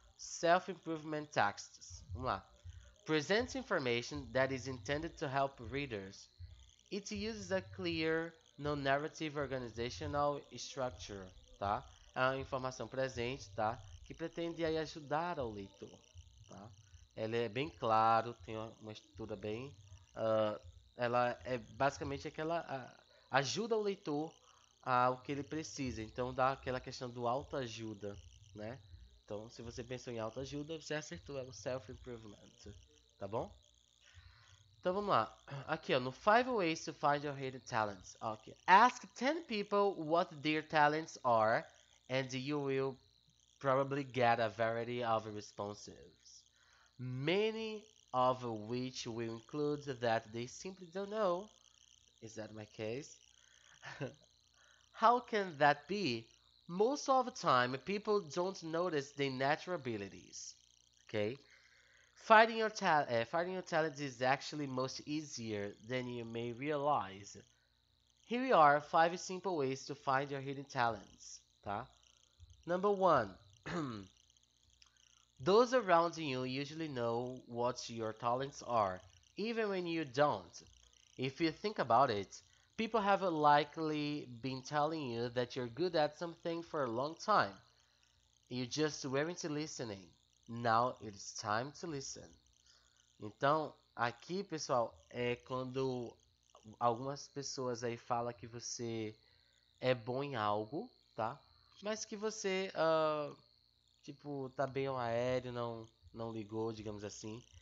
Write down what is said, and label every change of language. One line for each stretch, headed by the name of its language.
English: Self-improvement texts.
Portuguese: Vamos lá.
English: Presents information that is intended to help readers. It uses a clear, non-narrative organizational structure.
Portuguese: Tá? É uma informação presente, tá? Que pretende aí ajudar ao leitor. Tá? Ela é bem claro, tem uma estrutura bem... ela é basicamente aquela... ajuda o leitor ao que ele precisa. Então dá aquela questão do autoajuda. Né? Então, se você pensou em autoajuda, você acertou, é o self-improvement, tá bom? Então, vamos lá. Aqui, ó, no 5 Ways to Find Your Hidden Talents. Okay.
English: Ask 10 people what their talents are, and you will probably get a variety of responses. Many of which will include that they simply don't know. Is that my case? How can that be? Most of the time, people don't notice their natural abilities, okay? Finding your talents is actually most easier than you may realize. Here we are, 5 simple ways to find your hidden talents, tá? Number 1. Those around you usually know what your talents are, even when you don't. If you think about it, people have likely been telling you that you're good at something for a long time. You just weren't listening. Now it's time to listen.
Portuguese: Então, aqui, pessoal, é quando algumas pessoas aí falam que você é bom em algo, tá? Mas que você, tipo, tá bem aéreo, não ligou, digamos assim.